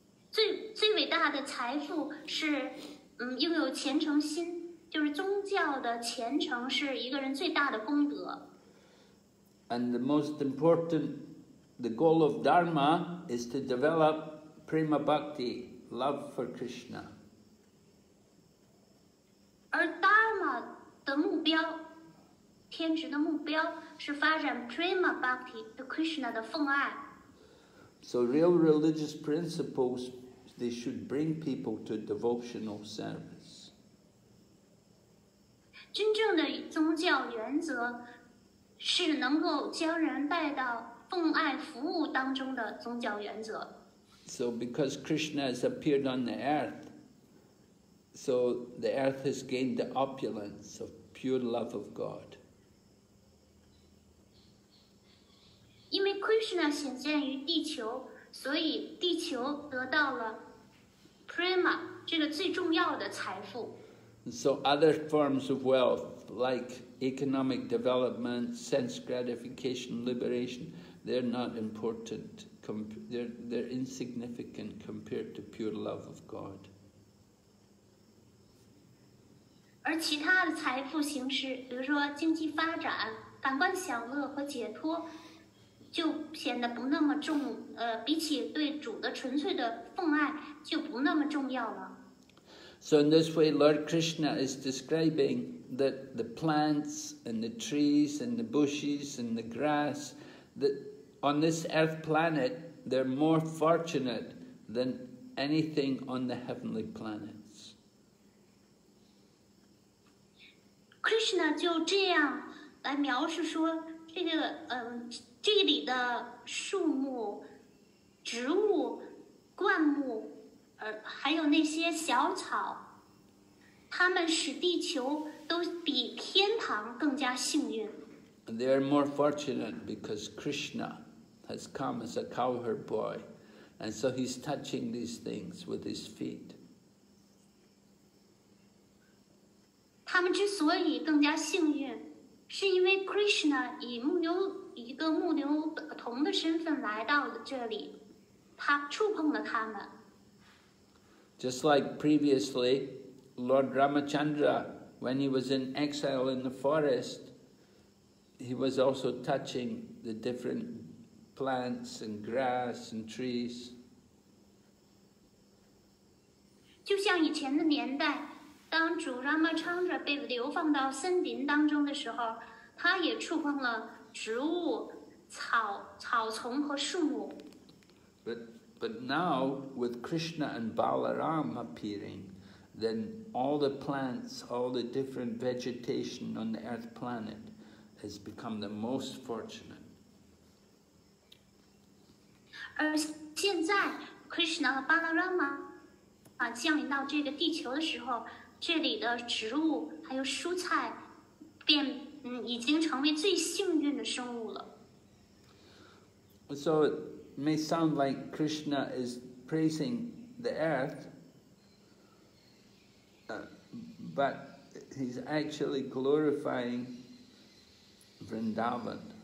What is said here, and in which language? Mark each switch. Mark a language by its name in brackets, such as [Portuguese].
[Chinese] 最伟大的财富是拥有虔诚心，就是宗教的虔诚是一个人最大的功德。 [English] And the most important, the goal of Dharma is to develop prema bhakti, love for Krishna. [Chinese] 而 Dharma 的目标天职的目标是发展 prema bhakti, [English] the [Chinese] Krishna 的奉爱。 [English] So real religious principles, they should bring people to devotional service. [Chinese] 真正的宗教原则是能够将人带到奉爱服务当中的宗教原则。 [English] So because Krishna has appeared on the earth, so the earth has gained the opulence of pure love of God. [Chinese] 因为 Krishna 显现于地球，所以地球得到了 prema 这个最重要的财富。 [English] So other forms of wealth like economic development, sense gratification, liberation, they're not important. They're insignificant compared to pure love of God. [Chinese] 而其他的财富形式，比如说经济发展、感官享乐和解脱。就显得不那么重，比起对主的纯粹的奉爱就不那么重要了。 [English] So in this way, Lord Krishna is describing that the plants and the trees and the bushes and the grass, that on this earth planet, they're more fortunate than anything on the heavenly planets. [Chinese] Krishna 就这样来描述说这个这里的树木、植物、灌木，还有那些小草，它们使地球都比天堂更加幸运。 [English] They are more fortunate because Krishna has come as a cowherd boy, and so he's touching these things with his feet. [Chinese] 它们之所以更加幸运，是因为 Krishna 以牧牛。一个牧牛童的身份来到了这里，他触碰了他们。 [English] Just like previously, Lord Ramachandra, when he was in exile in the forest, he was also touching the different plants and grass and trees. [Chinese] 就像以前的年代，当主 Ramachandra 被流放到森林当中的时候，他也触碰了。植物、草丛和树木。 [English] But now with Krishna and Balaram appearing, then all the plants, all the different vegetation on the earth planet, has become the most fortunate. [Chinese] 而现在 Krishna 和 Balaram 降临到这个地球的时候，这里的植物还有蔬菜便已经成为最幸运的生物了。 [English] So it may sound like Krishna is praising the earth, but he's actually glorifying Vrindavan.